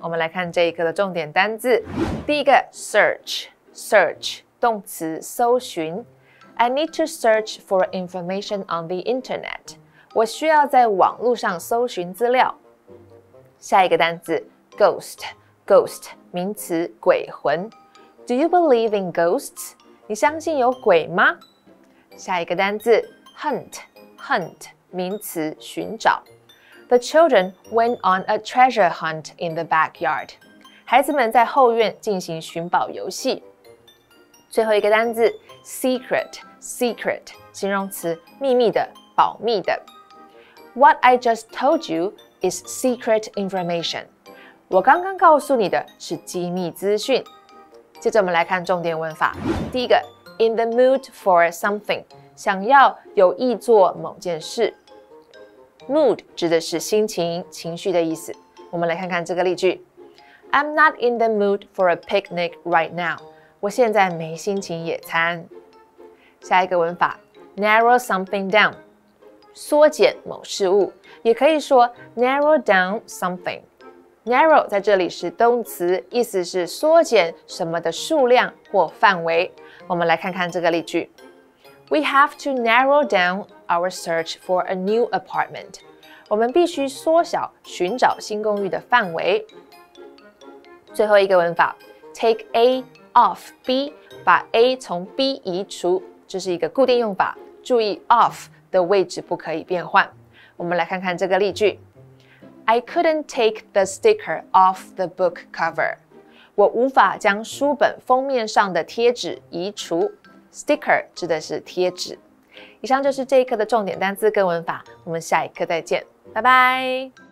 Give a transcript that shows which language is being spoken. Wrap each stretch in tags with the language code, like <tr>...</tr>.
<zh>我们来看这一课的重点单字。第一个 search, search, 动词搜寻。</zh> <en>I need to search for information on the internet.</en> <zh>我需要在网路上搜寻资料。下一个单字 ghost, ghost, 名词鬼魂。</zh> <en>Do you believe in ghosts?</en> <zh>你相信有鬼吗？下一个单字 hunt, hunt, 名词寻找。</zh> <en>The children went on a treasure hunt in the backyard.</en> <zh>孩子们在后院进行寻宝游戏。最后一个单字 secret, secret, 形容词秘密的、保密的。</zh> <en>What I just told you is secret information.</en> <zh>我刚刚告诉你的是机密资讯。接着我们来看重点文法。第一个</zh> <en>in the mood for something,</en> <zh>想要有意做某件事。 Mood 指的是心情、情绪的意思。我们来看看这个例句。</zh> <en>I'm not in the mood for a picnic right now.</en> <zh>我现在没心情野餐。下一个文法 ,</zh> <en>narrow something down.</en> <zh>缩减某事物。也可以说</zh> <en>narrow down something.</en> <zh>Narrow 在这里是动词，意思是缩减什么的数量或范围。我们来看看这个例句。</zh> <en>We have to narrow down our search for a new apartment.</en> <zh>我们必须缩小寻找新公寓的范围。最后一个文法 ,</zh> <en>take A off B,</en> <zh>把 A 从 B 移除。这是一个固定用法，注意 off 的位置不可以变换。我们来看看这个例句。</zh> <en>I couldn't take the sticker off the book cover.</en> <zh>我无法将书本封面上的贴纸移除。 Sticker 指的是贴纸。以上就是这一课的重点单字跟文法，我们下一课再见，拜拜。</zh>